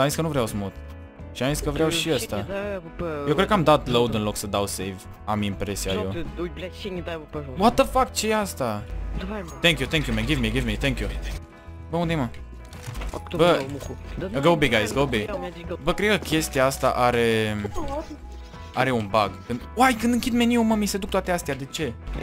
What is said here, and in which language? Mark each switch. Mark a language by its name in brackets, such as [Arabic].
[Romanian] Am zis că nu vreau smooth. Și am zis că vreau și ăsta. Eu cred că am dat load în loc să dau save. Am impresia eu. [English] What the fuck, [Romanian] ce e asta? [English] Thank you, man, give me, thank you. [Romanian] Bă, unde-i, mă? Bă, [English] go B, guys, go B. [Romanian] Bă, cred că chestia asta are... Are un bug. Uai, când închid meniul, mă, mi se duc toate astea, de ce?